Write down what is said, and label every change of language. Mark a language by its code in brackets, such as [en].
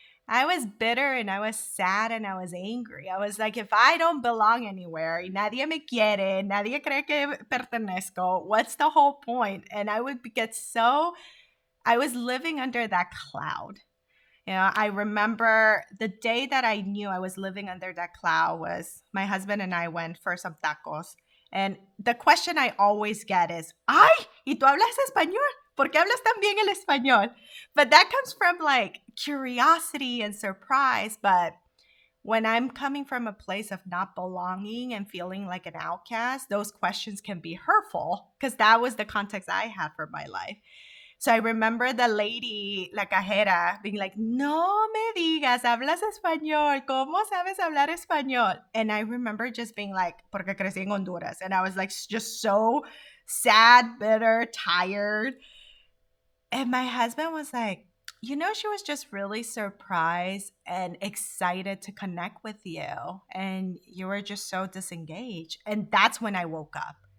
[en] I was bitter and I was sad and I was angry. I was like, if I don't belong anywhere, [es] nadie me quiere, nadie cree que pertenezco, [en] what's the whole point? And I would get so... I was living under that cloud. You know, I remember the day that I knew I was living under that cloud was my husband and I went for some tacos. And the question I always get is, [es] ay, ¿y tú hablas español? ¿Por qué hablas tan bien el español? [en] But that comes from like curiosity and surprise. But when I'm coming from a place of not belonging and feeling like an outcast, those questions can be hurtful because that was the context I had for my life. So I remember the lady, [es] la cajera, [en] being like, [es] no me digas, hablas español, ¿cómo sabes hablar español? [en] And I remember just being like, [es] porque crecí en Honduras. [en] And I was like, just so sad, bitter, tired. And my husband was like, you know, she was just really surprised and excited to connect with you. And you were just so disengaged. And that's when I woke up.